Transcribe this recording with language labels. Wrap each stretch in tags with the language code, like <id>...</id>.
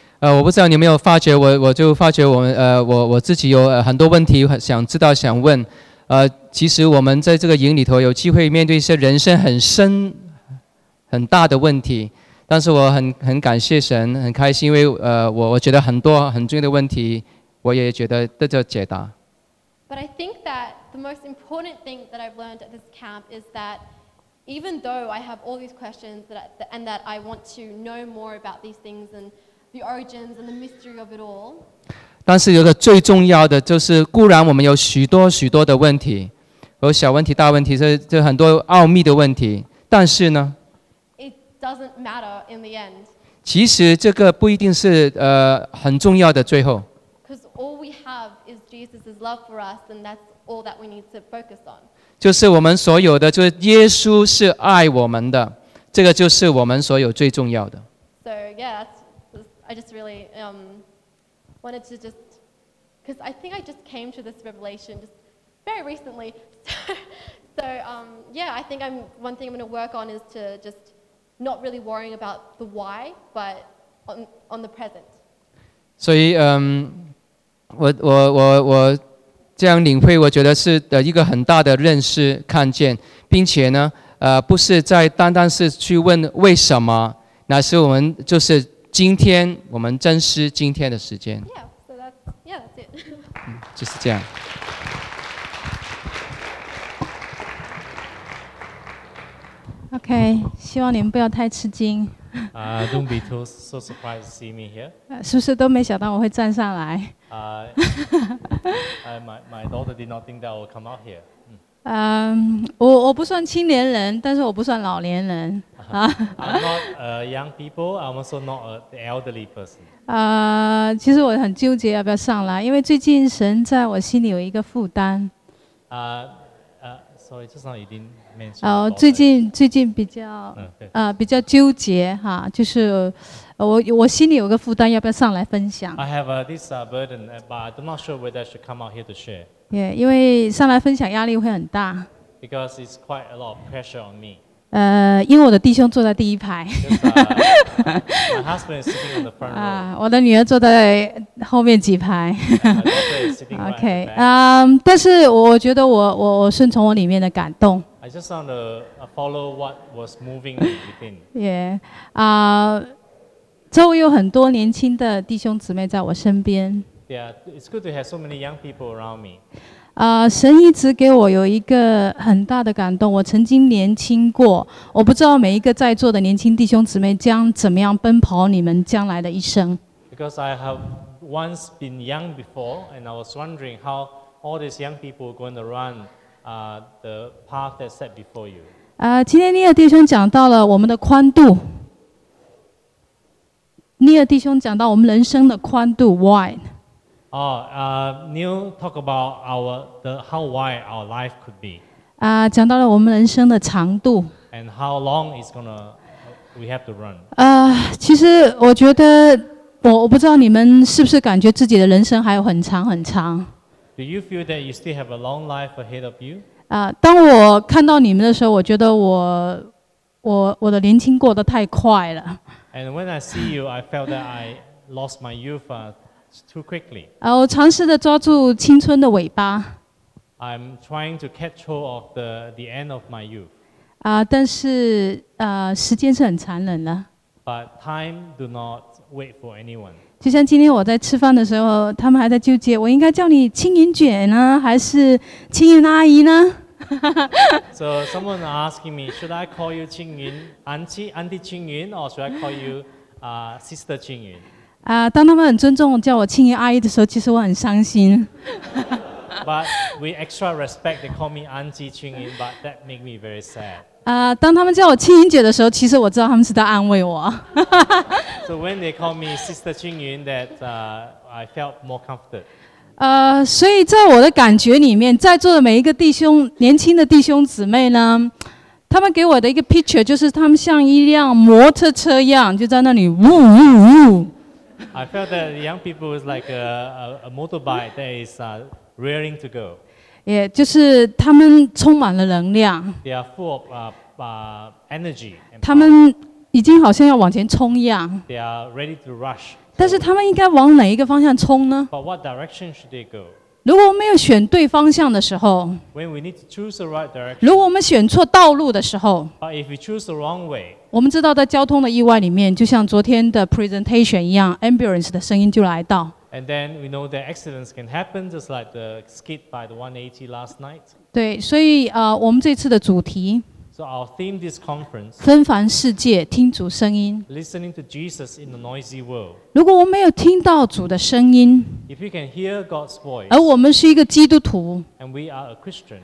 <zh>我不知道你有没有发觉，我就发觉我自己有很多问题想知道想问，其实我们在这个营里头有机会面对一些人生很深很大的问题，但是我很感谢神，很开心，因为我觉得很多很重要的问题我也觉得得到解答。</zh> <en>But I think that the most important thing that I've learned at this camp is that even though I have all these questions and that I want to know more about these things andThe origins and the mystery of it all.</en> <zh>但是有个最重要的就是，固然我们有许多许多的问题，有小问题、大问题，这很多奥秘的问题。但是呢</zh> <en>，It doesn't matter in the end。</en> <zh>其实这个不一定是很重要的最后。</zh> <en>Because all we have is Jesus's love for us, and that's all that we need to focus on。</en> <zh>就是我们所有的，就是耶稣是爱我们的，这个就是我们所有最重要的。</zh> <en>So yeah, I just really wanted to just, because I think I just came to this revelation just very recently. So yeah, I think one thing I'm going to work on is to just not really worrying about the why, but on the present.</en> <zh>所以我这样领会，我觉得是一个很大的认识看见，并且呢不是在单单是去问为什么，乃是我们就是今天我们珍惜今天的时间。</zh> <en>Yeah, so that's, yeah, that's it.</en> <zh>就是这样。 OK, 希望你们不要太吃惊。</zh> <en>Don't be too so surprised to see me here.</en> <zh>是不是都没想到我会站上来？</zh> <en>My daughter did not think that I would come out here.</en> <zh>我不算青年人，但是我不算老年人。</zh> <en>I'm not a young people. I'm also not an elderly person.</en> <zh>其实我很纠结要不要上来，因为最近神在我心里有一个负担。</zh> <en>Sorry, just now you didn't.</en> <zh>最近比较比较纠结哈，就是我心里有个负担，要不要上来分享</zh> <en>？I have this burden, but I'm not sure whether I should come out here to share.</en> <zh>Yeah, 因为上来分享压力会很大。</zh> <en>Because it's quite a lot of pressure on me.</en> <zh>因为我的弟兄坐在第一排。</zh> <en>My husband is sitting on the front row.</en> <zh>我的女儿坐在后面几排。</zh> <en>OK,</en> <zh>但是我觉得我顺从我里面的感动。</zh> <en>I just want to follow what was moving within.</en> <zh>Yeah, 周围有很多年轻的弟兄姊妹在我身边。</zh> <en>Yeah, it's good to have so many young people around me.</en> <zh>神一直给我有一个很大的感动。我曾经年轻过，我不知道每一个在座的年轻弟兄姊妹将怎么样奔跑你们将来的一生。</zh> <en>Because I have once been young before, and I was wondering how all these young people are going to run. The path that's set before you.</en> <zh>今天尼尔弟兄讲到了我们的宽度。尼尔弟兄讲到我们人生的宽度 wide.</zh> <en>Neil talk about how wide our life could be.</en> <zh>讲到了我们人生的长度。</zh> <en>And how long is gonna we have to run?</en> <zh>其实我觉得我不知道你们是不是感觉自己的人生还有很长很长。</zh> <en>Do you feel that you still have a long life ahead of you?</en> <zh>当我看到你们的时候，我觉得我的年轻过得太快了。</zh> <en>And when I see you, I felt that I lost my youth too quickly.</en> <zh>我尝试着抓住青春的尾巴。</zh> <en>I'm trying to catch hold of the end of my youth.</en> <zh>但是时间是很残忍的。</zh> <en>But time do not wait for anyone.</en> <zh>就像今天我在吃饭的时候，他们还在纠结，我应该叫你青云卷呢，还是青云阿姨呢？</zh> <en>So someone asking me, should I call you 青云 auntie 青云 or should I call you sister 青云？</en> <zh>当他们很尊重叫我青云阿姨的时候，其实我很伤心。</zh> <en>But with extra respect, they call me auntie 青云 but that make me very sad.</en> <zh>当他们叫我青云姐的时候，其实我知道他们是在安慰我。</zh> <en>So when they call me Sister 青云 that I felt more comforted.</en> <zh>所以在我的感觉里面，在座的每一个弟兄，年轻的弟兄姊妹呢，他们给我的一个 picture 就是他们像一辆摩托车一样，就在那里呜呜呜。</zh> <en>I felt that young people is like a motorbike that is rearing to go.</en> <zh>Yeah, 就是他们充满了能量。</zh> <en>They are full of energy.</en> <zh>他们已经好像要往前冲一样。</zh> <en>They are ready to rush.</en> <zh>但是他们应该往哪一个方向冲呢</zh> <en>？But what direction should they go?</en> <zh>如果我们没有选对方向的时候</zh> <en>，When we need to choose the right direction.</en> <zh>如果我们选错道路的时候</zh> <en>，But if we choose the wrong way.</en> <zh>我们知道在交通的意外里面，就像昨天的 presentation 一样 ，ambulance 的声音就来到。</zh> <en>And then we know that accidents can happen, just like the skit by the 180 last night.</en> <zh>对，所以我们这次的主题。</zh> <en>So our theme this conference.</en> <zh>纷繁世界，听主声音。</zh> <en>Listening to Jesus in the noisy world.</en> <zh>如果我没有听到主的声音。</zh> <en>If we can hear God's voice.</en> <zh>而我们是一个基督徒。</zh> <en>And we are a Christian.</en>